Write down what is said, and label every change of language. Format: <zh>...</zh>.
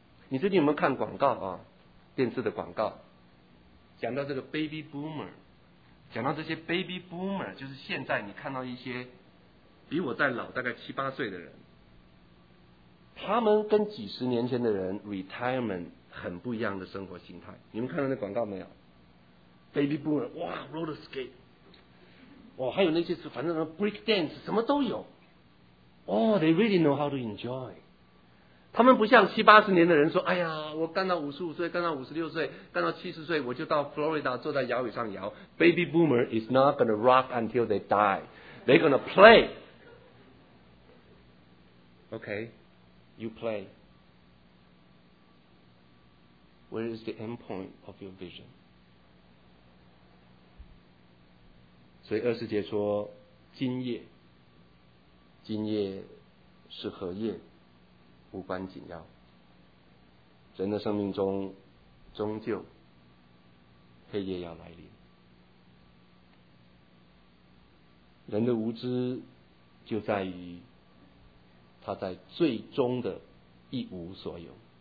<zh>你最近有没有看广告啊？电视的广告讲到这个 baby boomer， 讲到这些 baby boomer， 就是现在你看到一些比我再老大概七八岁的人，他们跟几十年前的人 retirement 很不一样的生活形态。你们看到那广告没有？ baby boomer， 哇， roller skate， 哇，还有那些反正 break dance 什么都有。</zh> <en>Oh， they really know how to enjoy。</en> <zh>他们不像七八十年的人说，哎呀，我干到五十五岁，干到五十六岁，干到七十岁，我就到 Florida 坐在摇椅上摇。</zh> <en>Baby boomer is not gonna rock until they die. They're gonna play. Okay, you play. Where is the end point of your vision?</en> <zh>所以二十节说，今夜，今夜是何夜？无关紧要。人的生命中终究黑夜要来临，人的无知就在于他在最终的一无所有。</zh>